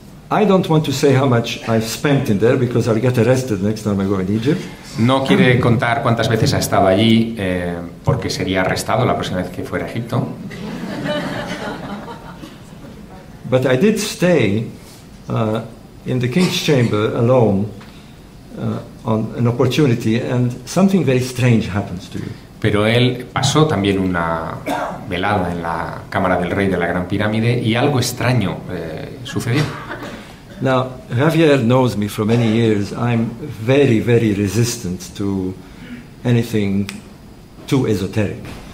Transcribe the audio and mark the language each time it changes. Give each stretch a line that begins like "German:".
English: I don't want to say how much I've spent in there because I'll get arrested next time I go in Egypt.
Spanish: No quiere contar cuántas veces ha estado allí porque sería arrestado la próxima vez que fuera a Egipto.
English: But I did stay in the king's chamber alone on an opportunity, and something very strange happens to you.
Spanish: Pero él pasó también una velada en la cámara del rey de la gran pirámide y algo extraño sucedió.
English: Now, Javier knows me for many years. I'm very, very resistant to anything too esoteric.